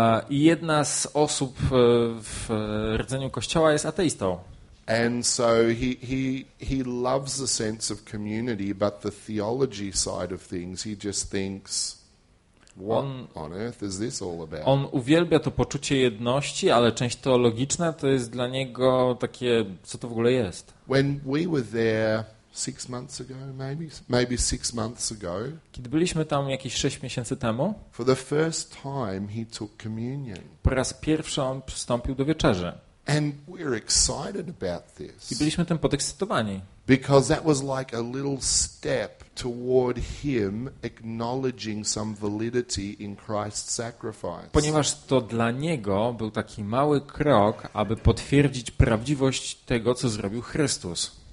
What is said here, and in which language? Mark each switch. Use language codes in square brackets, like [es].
[pl] I jedna z osób w rdzeniu kościoła jest ateistą. [en] And so he loves the sense of community, but the theology side of things, he just thinks, what on earth is this all about? [pl] On uwielbia to poczucie jedności, ale część teologiczna to jest dla niego takie, co to w ogóle jest? [en] When we were there 6 months ago, maybe 6 months ago. [pl] Kiedy byliśmy tam jakieś 6 miesięcy temu, [en] for the first time he took communion. [pl] Po raz pierwszy on przystąpił do wieczerzy. [en] And we're excited about this. [pl] I byliśmy tym podekscytowani. [en] Because that was like a little step toward him acknowledging some validity in Christ's sacrifice. [pl] Ponieważ to dla niego był taki mały krok, aby potwierdzić prawdziwość tego, co zrobił Chrystus.